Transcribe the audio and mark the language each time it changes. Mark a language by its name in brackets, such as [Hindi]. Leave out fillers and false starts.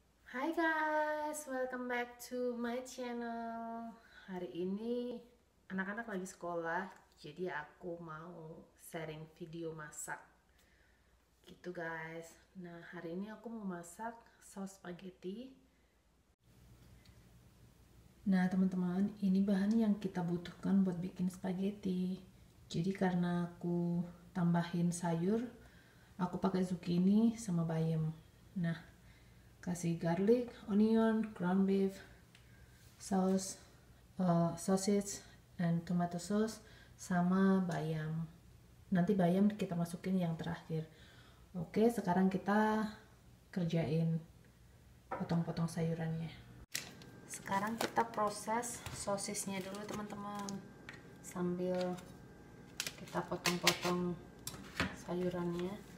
[English] Hai guys, welcome back to my channel. [Indonesian] Hari ini anak-anak lagi sekolah, jadi aku mau sharing video masak. Gitu guys. Nah, hari ini aku mau masak saus spaghetti. Nah, teman-teman, ini bahan yang kita butuhkan buat bikin spaghetti. Jadi karena aku tambahin sayur, aku pakai zucchini sama bayam. Nah, kasih [English] garlic, onion, ground beef, [Indonesian] saus, [English] sausage, and tomato sauce, [Indonesian] sama bayam. Nanti bayam kita masukin yang terakhir. Oke, sekarang kita kerjain potong-potong sayurannya. Sekarang kita proses sosisnya dulu, teman-teman. Sambil kita potong-potong sayurannya.